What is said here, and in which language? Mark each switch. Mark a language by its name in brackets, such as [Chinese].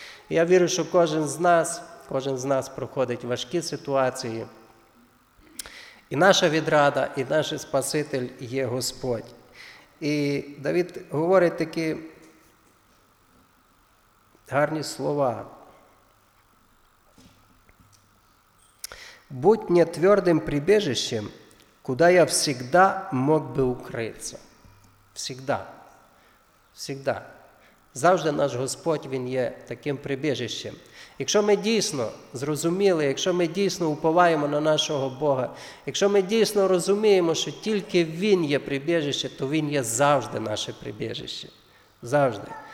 [Ukrainian] Я вірю, що кожен з нас проходить важкі ситуації. І наша відрада, і наш Спаситель є Господь. І Давид говорить такі гарні слова. [Russian] «Будь мне твердым прибежищем, куда я всегда мог бы укрыться». Всегда. Всегда. [Ukrainian] Завжди наш Господь, Він є таким прибіжищем. Якщо ми дійсно зрозуміли, якщо ми дійсно уповаємо на нашого Бога, якщо ми дійсно розуміємо, що тільки Він є прибіжище, то Він є завжди наше прибіжище. Завжди.